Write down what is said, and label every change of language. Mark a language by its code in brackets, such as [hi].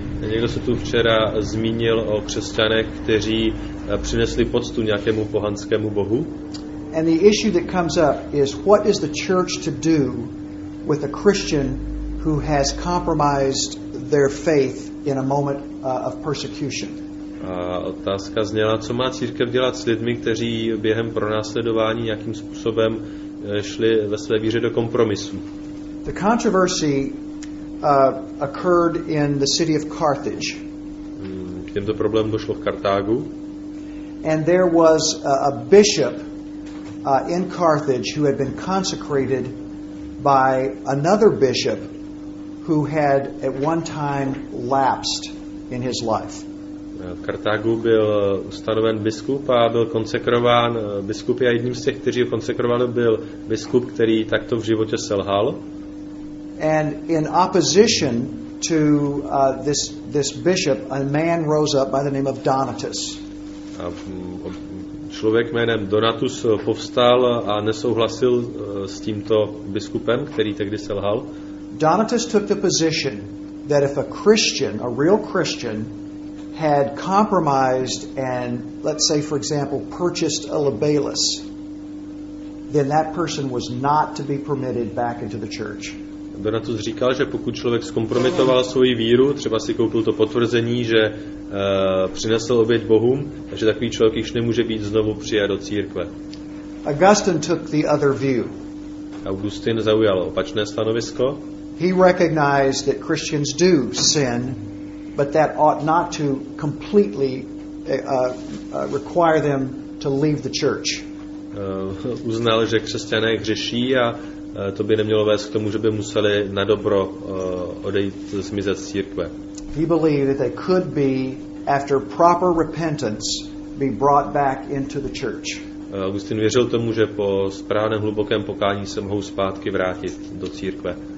[cs] Někdo se tu včera zmínil o křesťanech, kteří přinesli poctu nějakému pohanskému bohu. [en] And the issue that comes up is, what is the church to do with a Christian who has compromised their faith in a moment of persecution? [cs] A otázka zněla, co má církev dělat s lidmi, kteří během pronásledování nějakým způsobem šli ve své víře do kompromisu. [en] The controversy occurred in the city of Carthage. [cs] K těmto problémům došlo v Kartágu. [en] And there was a bishop in Carthage who had been consecrated by another bishop who had at one time lapsed in his life. [cs] V Kartágu byl ustanoven biskup a byl konsekrován biskupy a jedním z těch, kteří ho konsekrovali, byl biskup, který takto v životě selhal. [en] And in opposition to this bishop, a man rose up by the name of Donatus. [cs] A člověk jménem Donatus povstal a nesouhlasil s tímto biskupem, který tehdy selhal. [en] Donatus took the position that if a Christian, a real Christian, had compromised and, let's say for example, purchased a libelus, then that person was not to be permitted back into the church. [cs] Donatus říkal, že pokud člověk zkompromitoval svoji víru, třeba si koupil to potvrzení, že přinesl oběť bohům, že takový člověk již nemůže být znovu přijat do církve. [en] Augustine took the other view. [cs] Augustin zaujal opačné stanovisko. [en] He recognized that Christians do sin, but that ought not to completely require them to leave the church. [cs] Uznal, že křesťané hřeší a to by nemělo vést k tomu, že by museli na dobro odejít, zmizet z církve. [en] He believed that they could be, after proper repentance, be brought back into the church. [cs] Augustin věřil tomu, že po správném hlubokém pokání se mohou zpátky vrátit do církve.